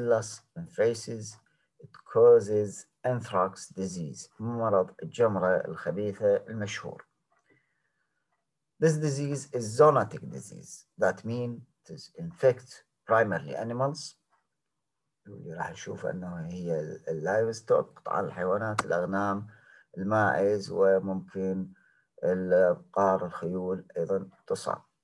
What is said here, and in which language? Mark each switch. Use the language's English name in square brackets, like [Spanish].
[English] Bacillus anthraces it causes anthrax disease، [Arabic] مرض الجمرة الخبيثة المشهور. [English] This disease is zoonotic disease that means it is infect primarily animals. [Arabic] اللي راح نشوف انه هي اللايف ستوك، قطع الحيوانات، الاغنام، الماعز، وممكن الابقار، الخيول ايضا تصاب.